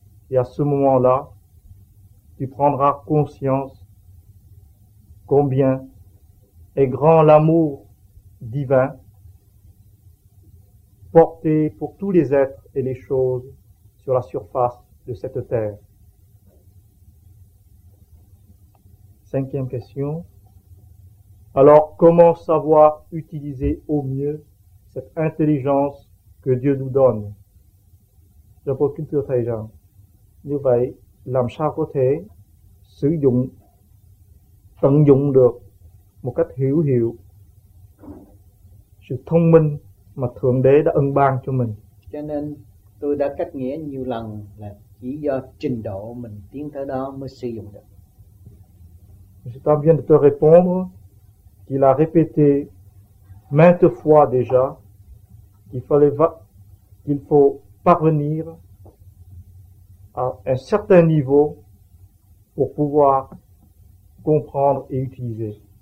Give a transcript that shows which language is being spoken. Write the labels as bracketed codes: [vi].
[fr] Et à ce moment-là, tu prendras conscience combien est grand l'amour divin porté pour tous les êtres et les choses sur la surface de cette terre. Cinquième question. Alors, comment savoir utiliser au mieux cette intelligence que Dieu nous donne? Je vous dis tout à l'heure. [vi] Như vậy, làm sao có thể sử dụng, tận dụng được một cách hiểu hiệu sự thông minh mà Thượng Đế đã ân ban cho mình? Cho nên tôi đã cách nghĩa nhiều lần là chỉ do trình độ mình tiến tới đó mới sử dụng được. [fr] Monsieur Tam vient de te répondre qu'il a répété maintes fois déjà qu'il faut parvenir à un certain niveau pour pouvoir comprendre et utiliser.